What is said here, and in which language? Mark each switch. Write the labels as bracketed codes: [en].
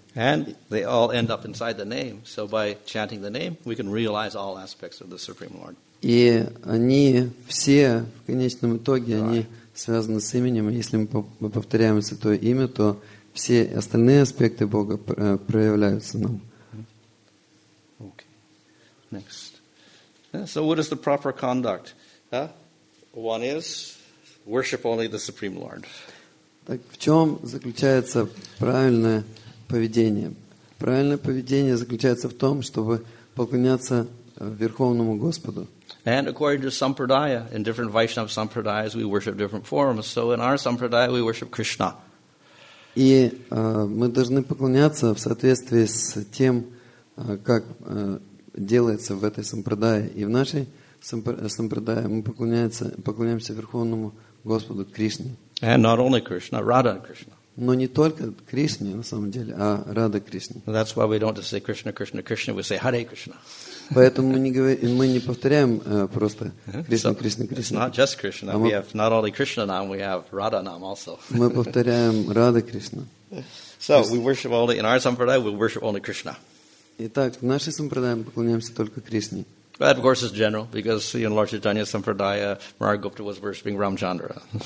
[en] And they all end up inside the name. So by chanting the name, we can realize all aspects of the Supreme Lord. [ru] И они все, в конечном итоге, они связаны с именем. Если мы повторяем святое имя, то все остальные аспекты Бога проявляются нам. [en] Okay. Next. So what is the proper conduct? One is worship only the Supreme Lord. [ru] Так в чем заключается правильное поведение? Правильное поведение заключается в том, чтобы поклоняться Верховному Господу. [en] And according to Sampradaya, in different Vaishnav Sampradayas, we worship different forms. So in our Sampradaya, we worship Krishna. [ru] И мы должны поклоняться в соответствии с тем, как делается в этой Сампрадае. И в нашей Сампрадае мы поклоняемся Верховному Господу Кришне. [en] And not only Krishna, Radha and Krishna. [ru] Но не только Кришне, на самом деле, а Рада Кришне. [en] That's why we don't just say Krishna, Krishna, Krishna. We say Hare Krishna. [ru] Поэтому мы не повторяем просто Кришна, Кришна, Кришна. [en] It's not just Krishna. We have not only Krishna nam, we have Radha nam also. [ru] Мы повторяем Рада Кришна. [en] So we worship only in our sampradaya. We worship only Krishna. [ru] Итак, в нашей сампрадае мы поклоняемся только Кришне. [en] But of course, it's general because in Lord Chaitanya's sampradaya, Murarigupta was worshiping Ramchandra.